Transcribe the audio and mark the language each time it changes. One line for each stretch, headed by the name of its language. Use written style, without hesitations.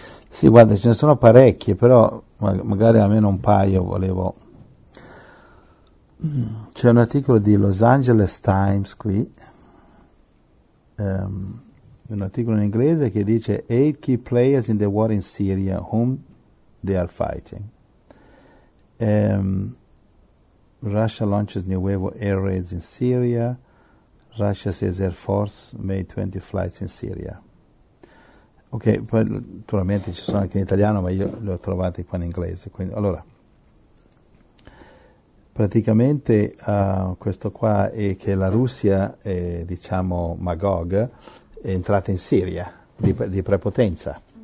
Italian: Sì, guarda, ce ne sono parecchie, però magari almeno un paio volevo. C'è un articolo di Los Angeles Times qui, un articolo in inglese che dice
English: "Eight key players in the war in Syria, whom they are fighting. Russia launches new wave of air raids in Syria. Russia says Air Force made 20 flights in Syria."
Italian: Ok, poi naturalmente ci sono anche in italiano, ma io li ho trovati qua in inglese. Quindi, allora, praticamente questo qua è che la Russia è, diciamo, Magog, è entrata in Siria di prepotenza.